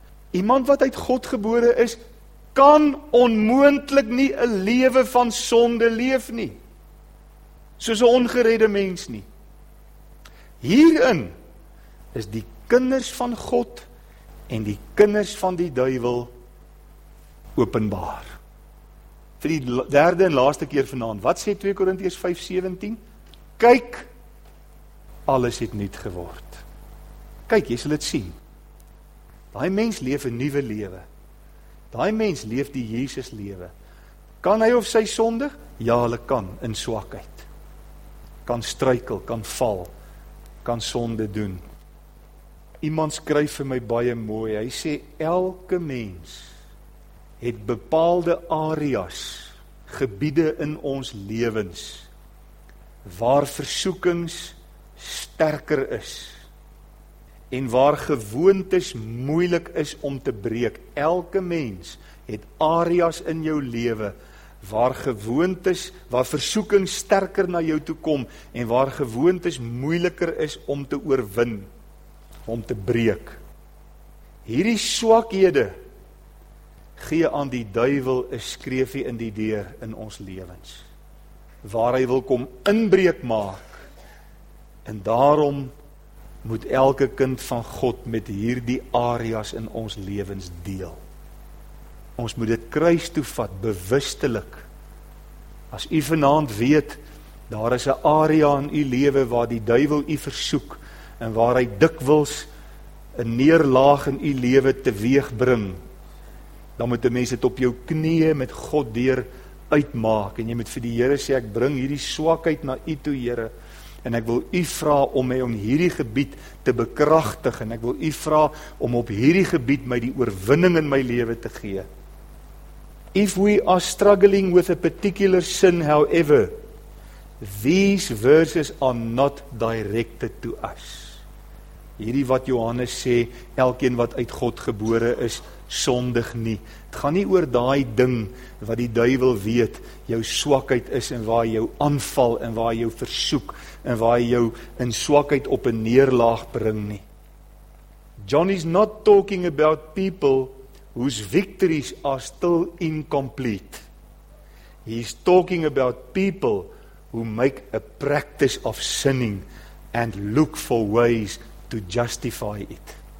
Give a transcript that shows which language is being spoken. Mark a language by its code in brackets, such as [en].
[af] Iemand wat uit God gebore is, kan onmoontlik nie 'n lewe van sonde leef nie, soos 'n ongeredde mens nie. Hierin is die kinders van God en die kinders van die duiwel openbaar. vir die derde en laaste keer vanaand. Wat sê 2 Korintiërs 5:17? Kyk, alles het nuut geword. Kyk, jy sal dit sien. Daai mens leef 'n nuwe lewe. Daai mens leef die Jesus lewe. Kan hy of sy sondig? Ja, hulle kan in swakheid. Kan struikel, kan val, kan sonde doen. Iemand skryf vir my baie mooi, hy sê, elke mens het bepaalde areas, gebiede in ons lewens, waar versoekings sterker is, en waar gewoontes moeilik is om te breek. Elke mens het areas in jou lewe, waar gewoontes, waar versoekings sterker na jou toe kom, en waar gewoontes moeiliker is om te oorwin. Om te breek. Hierdie swakhede gee aan die duivel 'n skreefie in die deur in ons lewens. Waar hy wil kom inbreek maak. En daarom moet elke kind van God met hierdie areas in ons lewens deel. Ons moet dit kruis toe vat, bewustelik. As u vanaand weet, daar is 'n area in u lewe waar die duivel u versoek, en waar hy dikwels een neerlaag in u lewe teweeg bring, dan moet die mens het op jou knieën met God deur uitmaak, en jy moet vir die Here sê, ek bring hierdie swakheid na u toe, Here, en ek wil u vra om my om hierdie gebied te bekragtig, en ek wil u vra om op hierdie gebied my die oorwinning in my lewe te gee. [en] If we are struggling with a particular sin, however, these verses are not directed to us. [af] Hierdie wat Johannes sê, elkeen wat uit God gebore is, sondig nie. Het gaan nie oor daai ding wat die duivel weet, jou swakheid is en waar jou aanval en waar jou versoek en waar jou in swakheid op 'n neerlaag bring nie. [en] John is not talking about people whose victories are still incomplete. He's talking about people who make a practice of sinning and look for ways to justify it.